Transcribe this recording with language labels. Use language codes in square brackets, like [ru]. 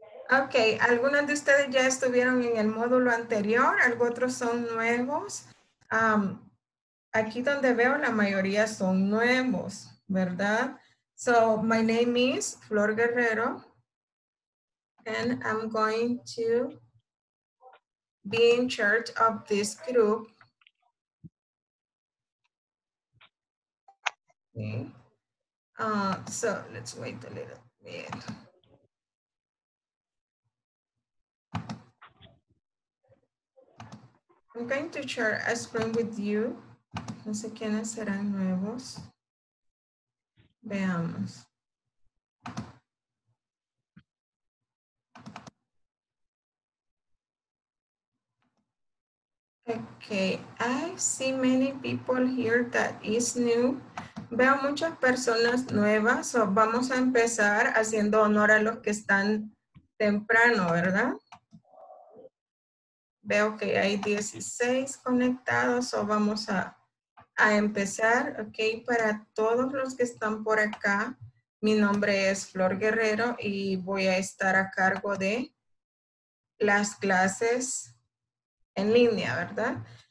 [es] Ok, ¿algunos de ustedes ya estuvieron en el módulo anterior? ¿Algunos otros son nuevos? Aquí donde veo la mayoría son nuevos, ¿verdad? [en] So, my name is Flor Guerrero. And I'm going to be in charge of this group. Okay. So, let's wait a little bit. I'm going to share a screen with you. [es] No sé quiénes serán nuevos. Veamos. [en] Okay, I see many people here that is new. [es] Veo muchas personas nuevas. So vamos a empezar haciendo honor a los que están temprano, ¿verdad? Veo que hay 16 conectados, o vamos a empezar. Ok, para todos los que están por acá, mi nombre es Flor Guerrero y voy a estar a cargo de las clases en línea, ¿verdad?